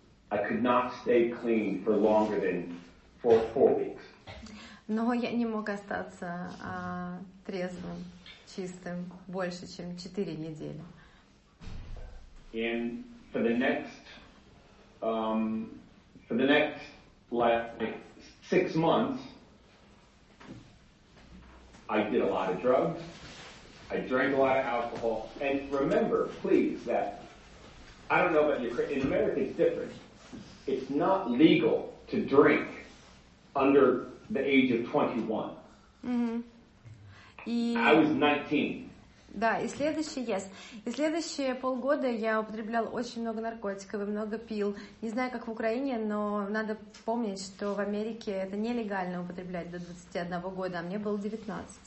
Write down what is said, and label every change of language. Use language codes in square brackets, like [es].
[en] But I could not stay clean for longer than four weeks. [ru] Но я не мог остаться трезвым, чистым больше, чем 4 недели. [en] And for the next like 6 months, I did a lot of drugs. I drank a lot of alcohol. And remember, please, that I don't know about your... In America, it's different. It's not legal to drink under the age of 21. Mm-hmm. [ru] И... [en] I was 19. [ru] Да, и следующий, [en] yes. [ru] И следующие полгода я употреблял очень много наркотиков и много пил. Не знаю, как в Украине, но надо помнить, что в Америке это нелегально употреблять до 21 года, а мне было 19.